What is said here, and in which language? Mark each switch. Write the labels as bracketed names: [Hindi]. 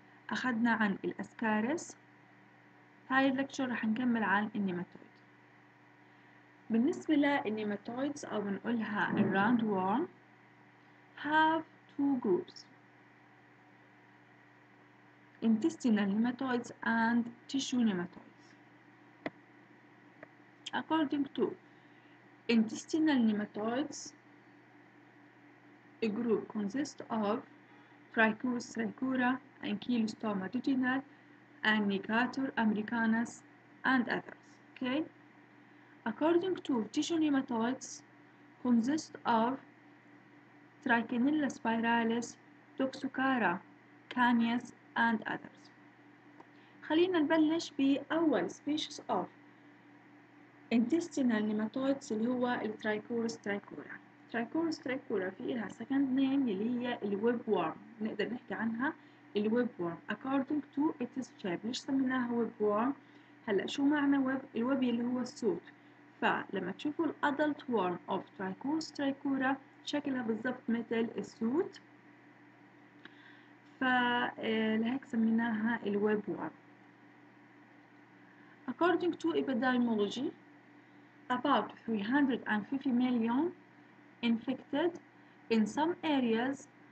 [Arabic] أخذنا عن الأسكارس، هاي اللكتشر رح نكمل عن النيماتويد. بالنسبة للنيماتويدز أو بنقولها الراوند وورم، [English] have two groups intestinal nematodes and tissue nematodes. According to intestinal nematodes, a group consists of Trichus trichura, Ankylostoma duodenal, and Nicator americanus, and others. Okay. According to tissue nematodes, consist of Trichinella spiralis, Toxocara, Canis, and others. [Arabic] خلينا نبلش بأول [English] species of intestinal nematodes [Arabic] اللي هو Trichus trichura. Trichus trichura فيها [English] second name [Arabic] اللي هي الويبورم، نقدر نحكي عنها الويبورم [English] according to its shape. [Arabic] ليش سميناها ويبورم؟ هلا شو معنى ويب؟ الويب اللي هو الصوت. فلما تشوفوا الادلت ورم [English] of [Arabic] Trichus trichura شكلها بالضبط مثل الصوت، فلهيك سميناها الويبورم. [English] According to epidemiology, about 350 million infected in some areas.